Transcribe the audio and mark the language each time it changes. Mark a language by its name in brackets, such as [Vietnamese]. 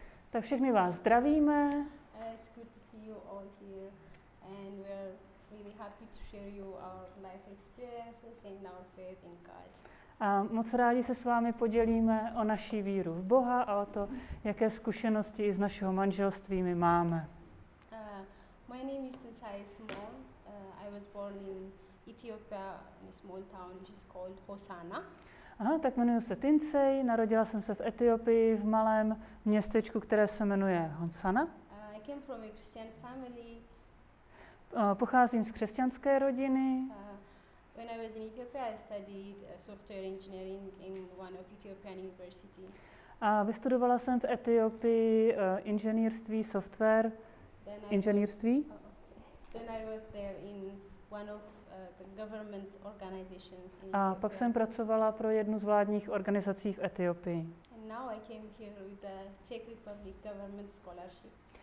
[Czech] Tak všechny vás zdravíme. [English] It's good to see you all here and we are really happy to share you our life experiences and our faith in God. [Czech] A moc rádi se s vámi podělíme o naší víru v Boha a o to, jaké zkušenosti i z našeho manželství my máme. [English] My name is Tesai Small. I was born in Ethiopia in a small town which is called Hosanna. [Czech] Aha, tak jmenuji se Tinsey, narodila jsem se v Etiopii v malém městečku, které se jmenuje Hosanna. [English] I came from a Christian family. [Czech] Pocházím z křesťanské rodiny. [English] When I was in Ethiopia, I studied software engineering in one of Ethiopian universities. [Czech] A vystudovala jsem v Etiopii inženýrství, software, inženýrství. [English] Then I worked there in one of the government organizations in Ethiopia. [Czech] A pak jsem pracovala pro jednu z vládních organizací v Etiopii. [English] And now I came here with the Czech Republic government scholarship.